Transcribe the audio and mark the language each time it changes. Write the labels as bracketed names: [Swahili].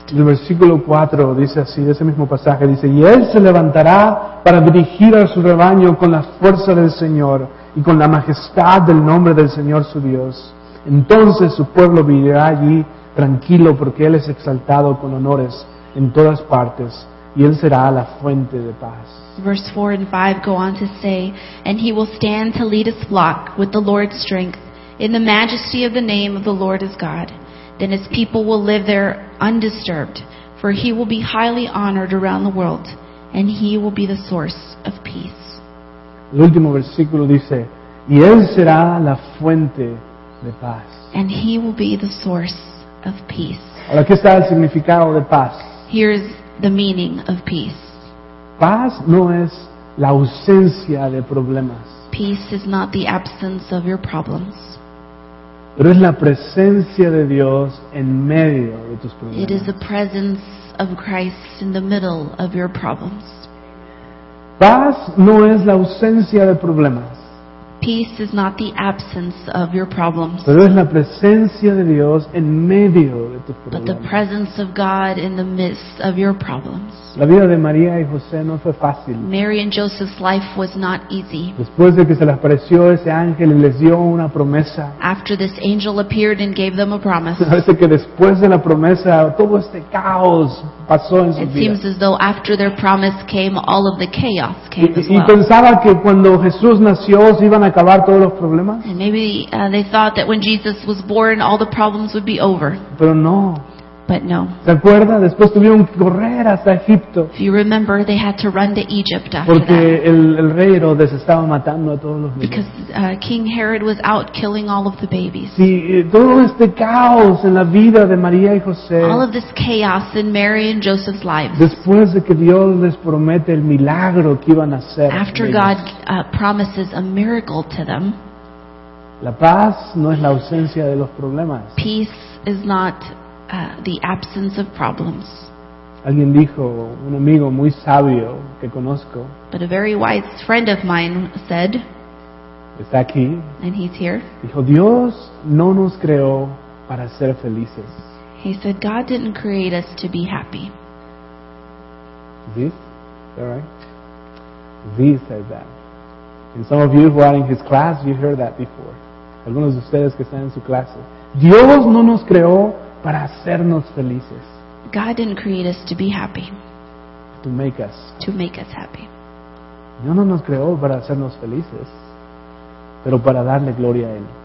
[Spanish] El versículo 4 dice así, ese mismo pasaje dice, y él se levantará para dirigir a su rebaño con la fuerza del Señor y con la majestad del nombre del Señor su Dios. Entonces su pueblo vivirá allí tranquilo, porque él es exaltado con honores en todas partes, y él será la fuente de paz. [English] Verse 4 and 5 go on to say, and he will stand to lead his flock with the Lord's strength, in the majesty of the name of the Lord his God. Then his people will live there undisturbed, for he will be highly honored around the world, and he will be the source of peace. [Spanish] El último versículo dice, y él será la fuente de paz. [English] And he will be the source of peace. [Spanish] Ahora, ¿qué está el significado de paz? [English] Here's the meaning of peace. [Spanish] Paz no es la ausencia de problemas. [English] Peace is not the absence of your problems. [Spanish] Pero es la presencia de Dios en medio de tus problemas. [English] It is the presence of Christ in the middle of your problems. [Spanish] Paz no es la ausencia de problemas. [English] Peace is not the absence of your problems. [Spanish] Pero es la presencia de Dios en medio de tus problemas. [English] But the presence of God in the midst of your problems. [Spanish] La vida de María y José no fue fácil. [English] Mary and Joseph's life was not easy. [Spanish] Después de que se les apareció ese ángel y les dio una promesa. [English] After this angel appeared and gave them a promise. [Spanish] Parece que después de la promesa todo este caos pasó en su vida. [English] It seems as though after their promise came all of the chaos came as well. [Spanish] Y pensaba que cuando Jesús nació se iban a acabar todos los problemas. [English] And maybe they thought that when Jesus was born all the problems would be over. [Spanish] Pero no. [English] But no. [Spanish] ¿Se acuerda? Después tuvieron que correr hasta Egipto. [English] If you remember, they had to run to Egypt after [Spanish] porque [English] that. [Spanish] Porque el rey Herodes estaba matando a todos los niños. [English] Because King Herod was out killing all of the babies. [Spanish] Sí, todo este caos en la vida de María y José. [English] All of this chaos in Mary and Joseph's lives. [Spanish] Después de que Dios les promete el milagro que iban a hacer. [English] After God promises a miracle to them. [Spanish] La paz no es la ausencia de los problemas. [English] Peace is not the absence of problems. [Spanish] Alguien dijo, un amigo muy sabio que conozco. [English] But a very wise friend of mine said. [Spanish] Está aquí. [English] And he's here. [Spanish] Dijo, Dios no nos creó para ser felices. [English] He said, God didn't create us to be happy. This, all right? This said that. And some of you who are in his class, you heard that before. [Spanish] Algunos de ustedes que están en su clase. Dios no nos creó para hacernos felices. [English] God didn't create us to be happy. to make us. To make us happy. [Spanish] Dios no nos creó para hacernos felices, pero para darle gloria a Él.